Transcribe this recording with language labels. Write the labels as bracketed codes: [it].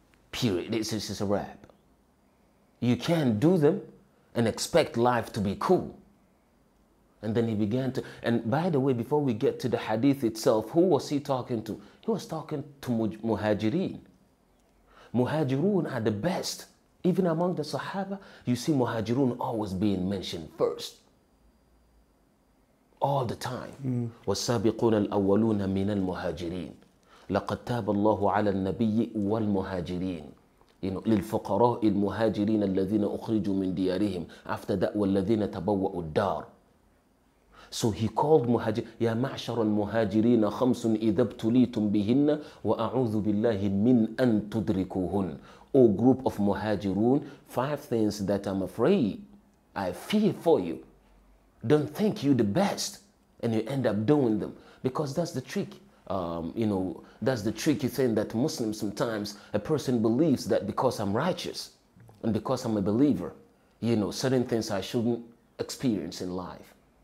[en] Period. This is a wrap. You can't do them and expect life to be cool. And then he began to... And by the way, before we get to the hadith itself, who was he talking to? He was talking to Muhajireen. Muhajirun are the best. Even among the Sahaba, you see Muhajirun always being mentioned first. All the time. [ar] وَالسَّابِقُونَ الْأَوَّلُونَ مِنَ الْمُهَاجِرِينَ لَقَدْ تَابَ اللَّهُ عَلَى النَّبِيِّ وَالْمُهَاجِرِينَ [en] You know, [ar] للفقراء المهاجرين الذين أخرجوا من ديارهم [en] after that [ar] والذين تبوأوا الدار. [en] So he called [ar] مهاجر يا معشر المهاجرين خمس إذا ابتليتم بهن وأعوذ بالله من أن تدركوهن. [en] O group of مهاجرون, five things that I'm afraid, I fear for you. Don't think you're the best and you end up doing them, because that's the trick. You know, that's the tricky thing that Muslims sometimes, a person believes that because I'm righteous and because I'm a believer, you know, certain things I shouldn't experience in life.